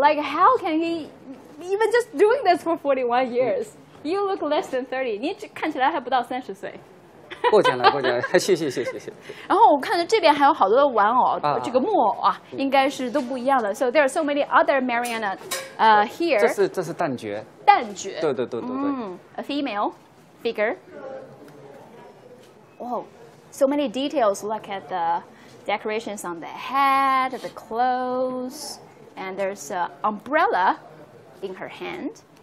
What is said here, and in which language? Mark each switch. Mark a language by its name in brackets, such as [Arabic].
[English] Like, how can he even just doing this for 41 years? You look less than 30. [Chinese] 你看起来还不到30岁。过奖了，谢谢。然后我看到这边还有好多的玩偶，这个木偶啊，应该是都不一样的。So [English] there are so many other Mariana, here. [Chinese] 这是旦角。旦角。对对对对对。A [English] female figure. Wow, so many details. Look at the decorations on the head, the clothes, and there's an umbrella in her hand.